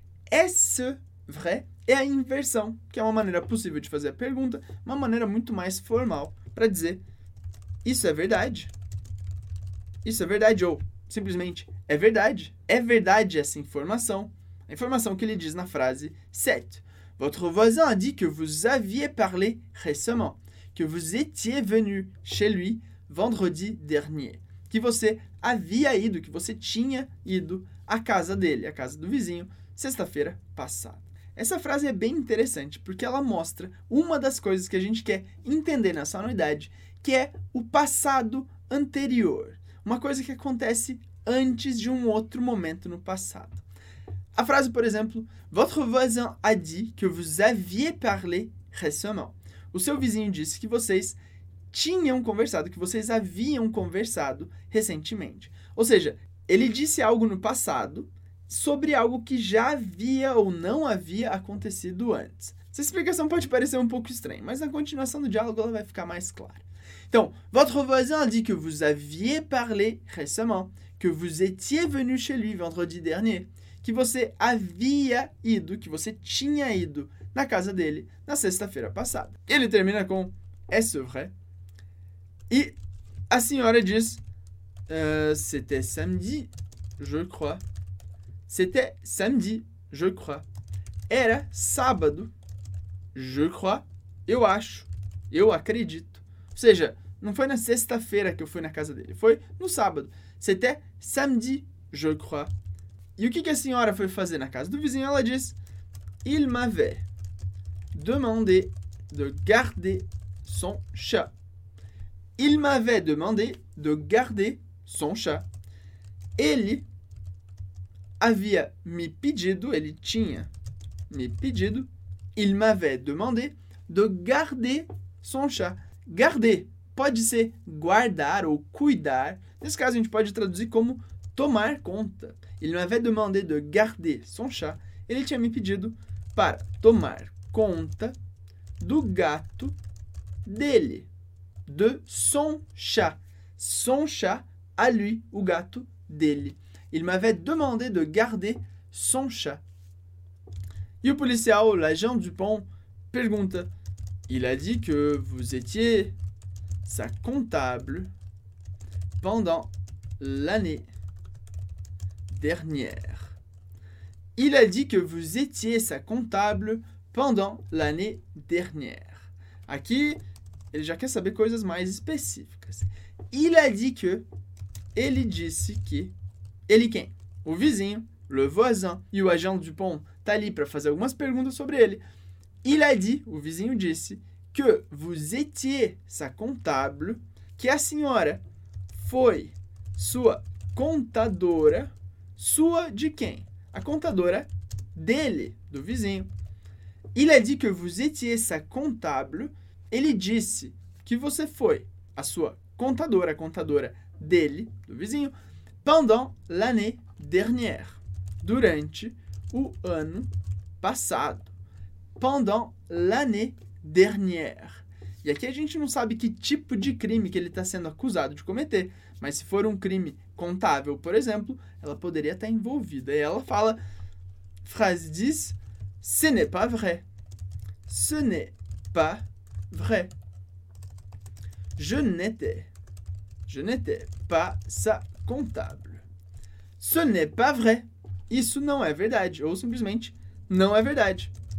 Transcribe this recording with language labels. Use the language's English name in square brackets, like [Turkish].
[French] Est-ce vrai? [Portuguese] É a inversão, que é uma maneira possível de fazer a pergunta, uma maneira muito mais formal para dizer isso é verdade? Isso é verdade? Ou simplesmente é verdade? É verdade essa informação? A informação que ele diz na frase 7. [French] Votre voisin a dit que vous aviez parlé récemment, que vous étiez venu chez lui vendredi dernier. [Portuguese] Que você havia ido, que você tinha ido à casa dele, à casa do vizinho, sexta-feira passada. Essa frase é bem interessante porque ela mostra uma das coisas que a gente quer entender nessa anuidade, que é o passado anterior. Uma coisa que acontece antes de um outro momento no passado. A frase, por exemplo, [French] votre voisin a dit que vous aviez parlé récemment. [Portuguese] O seu vizinho disse que vocês tinham conversado, que vocês haviam conversado recentemente. Ou seja, ele disse algo no passado sobre algo que já havia ou não havia acontecido antes. Essa explicação pode parecer um pouco estranha, mas na continuação do diálogo ela vai ficar mais clara. [French] Então, votre voisin a dit que vous aviez parlé récemment, que vous étiez venu chez lui vendredi dernier, [Portuguese] que você havia ido, que você tinha ido na casa dele na sexta-feira passada. Ele termina com [French] est-ce vrai? [Portuguese] E a senhora diz [French] c'était samedi, je crois. C'était samedi, je crois. [Portuguese] Era sábado, [French] je crois. [Portuguese] Eu acho, eu acredito. Ou seja, não foi na sexta-feira que eu fui na casa dele, foi no sábado. [French] C'était samedi, je crois. [Portuguese] E o que que a senhora foi fazer na casa do vizinho? Ela disse: [French] il m'avait demandé de garder son chat. Il m'avait demandé de garder son chat. [Portuguese] Ele havia me pedido, ele tinha me pedido, [French] il m'avait demandé de garder son chat. [Portuguese] Garder pode ser guardar ou cuidar. Nesse caso, a gente pode traduzir como tomar conta. [French] Il m'avait demandé de garder son chat. [Portuguese] Ele tinha me pedido para tomar conta do gato dele. [French] De son chat. Son chat a lui, [Portuguese] o gato dele. [French] Il m'avait demandé de garder son chat. [Portuguese] E o policial, l'agent Dupont, pergunta: [French] il a dit que vous étiez sa comptable pendant l'année dernière. Il a dit que vous étiez sa comptable pendant l'année dernière. [Portuguese] Aqui, ele já quer saber coisas mais específicas. [French] Il a dit que, [Portuguese] ele disse que, ele quem? O vizinho, le voisin, e o agent Dupont tá ali para fazer algumas perguntas sobre ele. Il a dit, o vizinho disse, [French] que vous étiez sa comptable, [Portuguese] que a senhora foi sua contadora. Sua de quem? A contadora dele, do vizinho. [French] Il a dit que vous étiez sa comptable. [Portuguese] Ele disse que você foi a sua contadora, a contadora dele, do vizinho, [French] pendant l'année dernière, [Portuguese] durante o ano passado. [French] Pendant l'année dernière. [Portuguese] E aqui a gente não sabe que tipo de crime que ele está sendo acusado de cometer, mas se for um crime contável, por exemplo, ela poderia estar envolvida. E ela fala, frase diz, [French] ce n'est pas vrai. Ce n'est pas vrai. Je n'étais pas sa comptable. Ce n'est pas vrai. [Portuguese] Isso não é verdade. Ou simplesmente, não é verdade.